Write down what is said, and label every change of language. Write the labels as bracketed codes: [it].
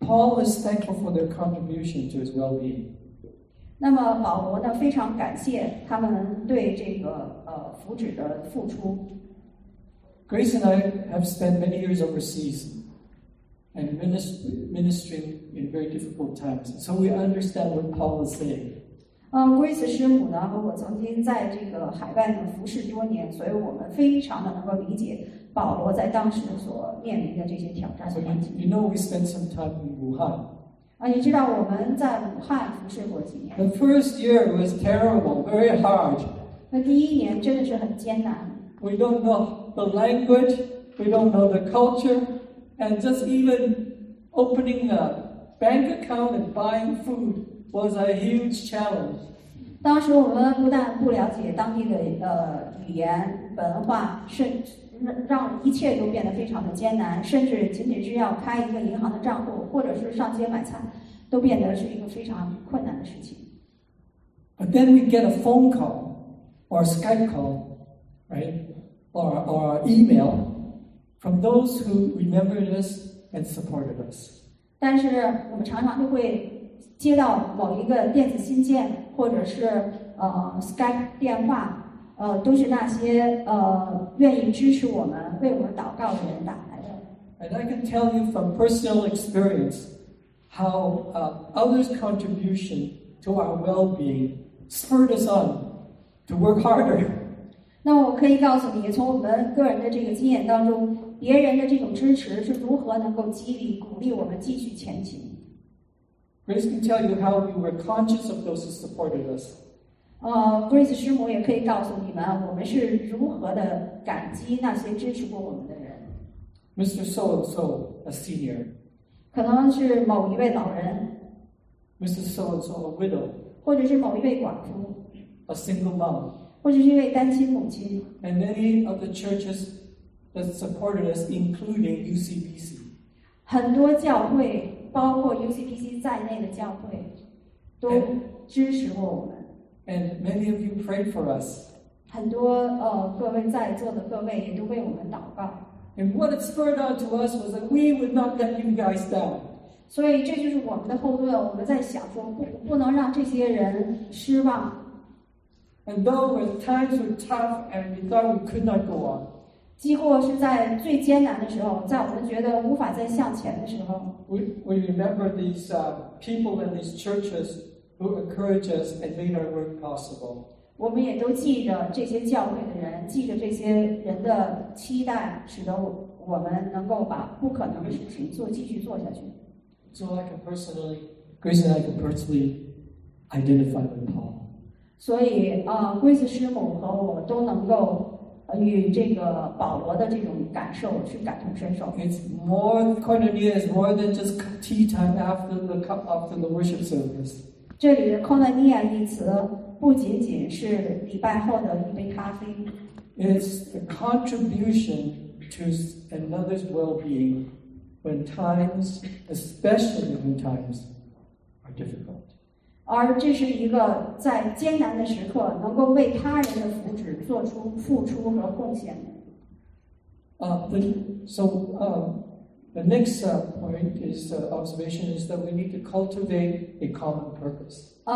[en] Paul is thankful for their contribution to his well-being. [zh] 那么保罗呢，非常感谢他们对这个福祉的付出。 [en] Grace and I have spent many years overseas and ministering in very difficult times, so we understand what Paul is saying. [zh] Grace 师母呢和我曾经在这个海外呢服侍多年，所以我们非常的能够理解。保罗在当时所面临的这些挑战和问题。 [en] You know, we spent some time in Wuhan. [zh] 啊，你知道我们在武汉服侍过几年。 [en] The first year was terrible, very hard. [zh] 那第一年真的是很艰难。 [en] We don't know the language, we don't know the culture, and just even opening a bank account and buying food was a huge challenge. [zh] 当时我们不但不了解当地的语言文化，甚至让一切都变得非常的艰难，甚至仅仅是要开一个银行的账户，或者是上街买菜，都变得是一个非常困难的事情。 [en] But then we get a phone call, or a Skype call, right, or email, from those who remembered us and supported us. [zh] 但是我们常常就会接到某一个电子信件，或者是Skype 电话，都是那些愿意支持我们、为我们祷告的人打来的。 [en] And I can tell you from personal experience how others' contribution to our well-being spurred us on to work harder. [zh] 那我可以告诉你，从我们个人的这个经验当中，别人的这种支持是如何能够激励、鼓励我们继续前行。 [en] Grace can tell you how we were conscious of those who supported us. [zh] Grace 师母也可以告诉你们，我们是如何的感激那些支持过我们的人。 [en] Mr. So and So, a senior. [zh] 可能是某一位老人。 [en] Mrs. So and So, a widow. [zh] 或者是某一位寡妇。 [en] A single mom. [zh] 或者是一位单亲母亲。 [en] And many of the churches that supported us, including UCPC. [zh] 很多教会。包括 UCPC 在内的教会都支持过我们。 [en] And many of you prayed for us. [zh] 很多各位在座的各位也都为我们祷告。 [en] And what it spurred on to us was that we would not let you guys down. [zh] 所以这就是我们的后盾，我们在想说 不能让这些人失望。 [en] And though when times were tough and we thought we could not go on, [zh] 几乎是在最艰难的时候，在我们觉得无法再向前的时候。 [en] We remember these people in these churches who encouraged us and made our work possible. [zh] 我们也都记着这些教会的人，记着这些人的期待，使得我们能够把不可能的事情做，继续做下去。 [en] So I can personally, Grace and I can personally identify with Paul. [zh] 所以啊，Grace师母和我都能够与这个保罗的这种感受去感同身受。 [en] It's more, Koinonia is more than just tea time after the worship service. [zh] 这里的 Koinonia 一词不仅仅是礼拜后的一杯咖啡。 [en] It's a contribution to another's well-being when times, especially when times, are difficult. [zh] 而这是一个在艰难的时刻能够为他人的福祉做出付出和贡献的。 [en] The next point is observation is that we need to cultivate a common purpose.